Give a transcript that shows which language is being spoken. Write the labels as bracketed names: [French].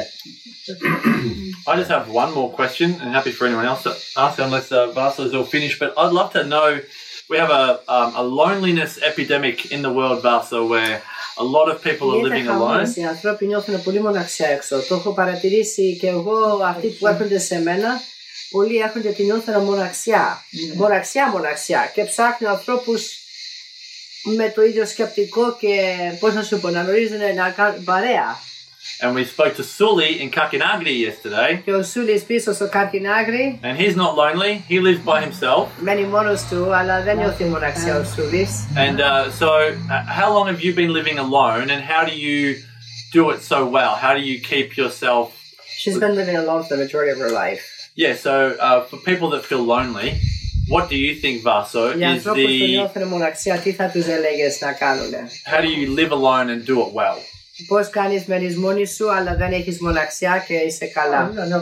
[English] They're not dry, but I think it's old. I just have one more question, and happy for anyone else to ask, unless Vasa is all finished. But I'd love to know, we have a loneliness epidemic in the world, Vasa, where a lot of people are living alone. [Greek] Οι άνθρωποι νιώθουν πολύ μοναξιά έξω. Το έχω παρατηρήσει και εγώ, αυτοί που έρχονται σε μένα, πολλοί έρχονται και νιώθουν μοναξιά. Μοναξιά. Και ψάχνουν ανθρώπους με το ίδιο σκεπτικό και πώς να σου πω, να γνωρίζουν να κάνουν παρέα. [English] And we spoke to Suli in Kakinagri yesterday. [Greek] Και ο Σούλης πίσω στο Κακινάγρι. [English] And he's not lonely. He lives by himself. [Greek] Μένει μόνος του, αλλά δεν νιώθει μοναξιά ο Σούλης. [English] And how long have you been living alone, and how do you do it so well? How do you keep yourself? She's been living alone for the majority of her life. Yeah. So for people that feel lonely, what do you think, Vasso, is the? [Greek] Για ανθρώπους που νιώθουν μοναξιά, τι θα τους έλεγες να κάνουν? [English] How do you live alone and do it well? [Greek] Πώς κάνεις μένεις μόνη σου, αλλά δεν έχεις μοναξιά και είσαι καλά.